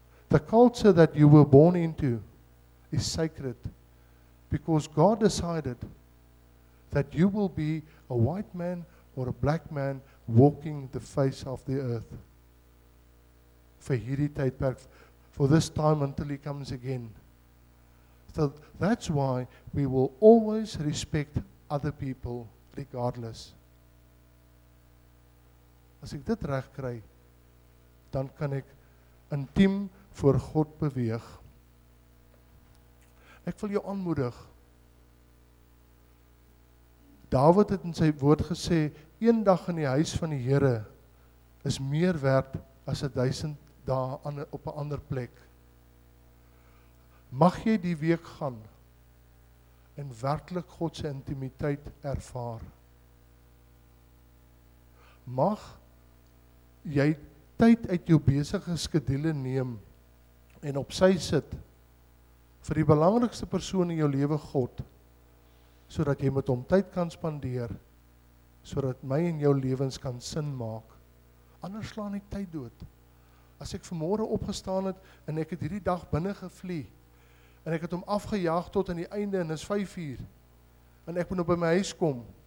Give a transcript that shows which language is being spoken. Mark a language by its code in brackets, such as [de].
[en] The culture that you were born into is sacred because God decided that you will be a white man or a black man walking the face of the earth. [af] Vir hierdie tydperk, [en] for this time until he comes again. So that's why we will always respect other people regardless. [af] As ek dit reg kry, dan kan ek intiem voor God beweeg. Ek wil jou aanmoedig. Dawid het in sy woord gesê, een dag in die huis van die Here is meer werd as 1000 daar op 'n ander plek. Mag jy die week gaan en werklik God se intimiteit ervaar. Mag jy tyd uit jou besige skedule neem en op sy sit vir die belangrikste persoon in jou lewe, God, sodat jy met hom tyd kan spandeer, sodat my en jou lewens kan sin maak. Anders slaan die tyd dood. As ek vanmôre opgestaan het en ek het hierdie dag binne gevlie en ek het hom afgejaag tot aan die einde en is 5:00 en ek moet nou by my huis kom.